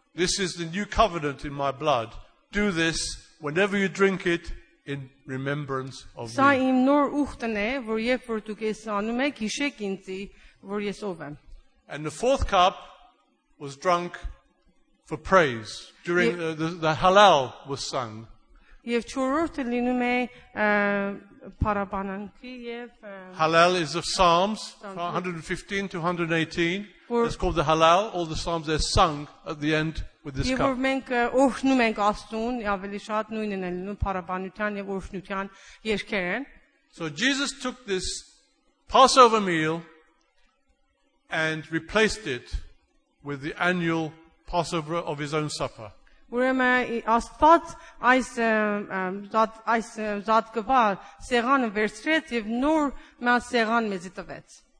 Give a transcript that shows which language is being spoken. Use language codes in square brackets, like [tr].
[en] This is the new covenant in my blood. Do this whenever you drink it in remembrance of me. [hy] Սա իմ նոր ուխտն է, որ երբ որ դուք ես անում եք, հիշեք ինձի, որ ես ով եմ. [en] And the fourth cup was drunk for praise during the Hallel was sung. [hy] Եվ չորրորդը լինում է պարաբանանքի եւ [en] Hallel is of Psalms 115-118. It's called the Hallel. All the Psalms are sung at the end with this cup. [hy] Եվ մենք օրհնում ենք Աստուն, ավելի շատ նույնն են լինում պարաբանության եւ օրհնության երգերը. [en] So Jesus took this Passover meal and replaced it with the annual Passover of his own supper. [hy] Ուրեմն Աստված այս այս զատկված սեղանը վերցրեց եւ նոր մի սեղան մեզի տվեց։